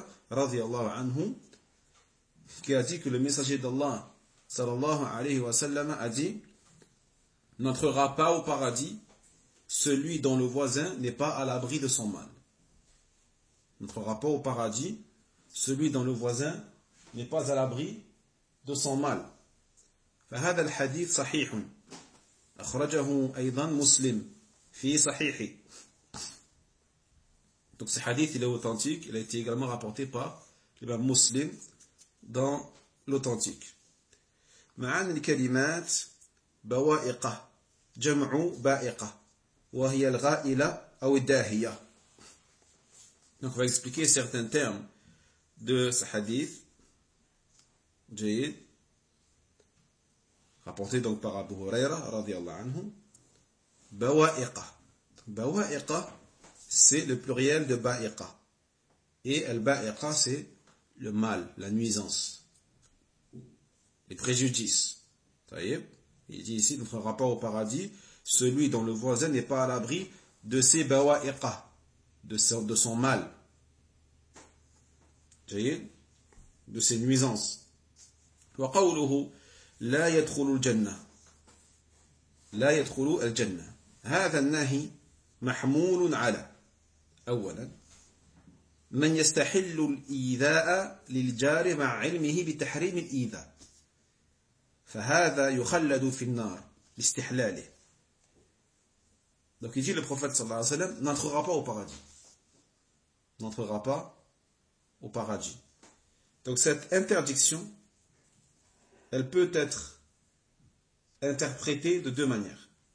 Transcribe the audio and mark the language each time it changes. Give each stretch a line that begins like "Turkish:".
French: radiyallahu anhu, qui a dit que le messager d'Allah sallallahu alayhi wa sallam a dit: n'entrera pas au paradis celui dont le voisin n'est pas à l'abri de son mal. N'entrera pas au paradis celui dont le voisin n'est pas à l'abri de son mal.
Arabic: فهذا الحديث صحيح أخرجه أيضا مسلم في صحيحه.
French: Donc ce hadith il est authentique, il a été également rapporté par l'imam Muslim dans l'authentique.
Arabic: معنى الكلمات بوائقة جمع بائقة وهي الغائلة أو الداهية.
French: Donc on va expliquer certains termes de ce hadith rapporté donc par Abu Huraira radiallahu anhu. Bawa'iqa. Bawa'iqa, c'est le pluriel de ba'iqa. Et al-ba'iqa, c'est le mal, la nuisance, les préjudices. Voyez, il dit ici notre rapport au paradis, celui dont le voisin n'est pas à l'abri de ses bawa'iqa, de son mal. Voyez, de ses nuisances.
Arabic: Wa qawluhu la yadkhulu al-jannah. La yadkhulu al-jannah. هذا النهي محمول على أولا من يستحل الإيذاء للجار مع علمه بتحريم الإيذاء فهذا يخلد في النار لاستحلاله.
French: Donc il dit le prophète صلى الله عليه وسلم n'entrera pas au paradis. N'entrera pas au paradis. Donc cette interdiction, elle peut être interprétée de deux manières.